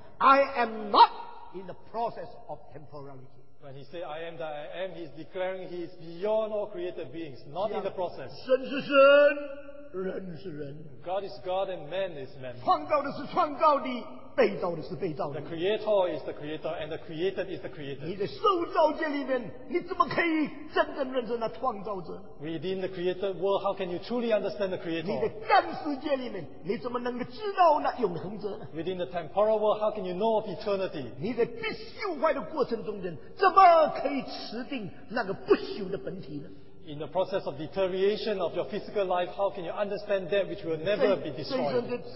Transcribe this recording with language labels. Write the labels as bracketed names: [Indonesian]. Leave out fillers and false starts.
[English] I am not in the process of temporality. When he says, I am that I am, he is declaring he is beyond all created beings, not in the process. [Chinese] 神是神, 人是人, [English] God is God and man is man. [Chinese] 创造的是创造的, 被造的是被造的。 [English] The creator is the creator and the created is the creator. [Chinese] 你在受造界里面, 你怎么可以真正认识那创造者? [English] Within the created world, how can you truly understand the creator? [Chinese] 你在干世界里面, 你怎么能够知道那永恒者? [English] Within the temporal world, how can you know of eternity? [Chinese] 你在必朽坏的过程中间, 怎么可以持定那个不朽的本体呢? [English] In the process of deterioration of your physical life, how can you understand that which will never be destroyed?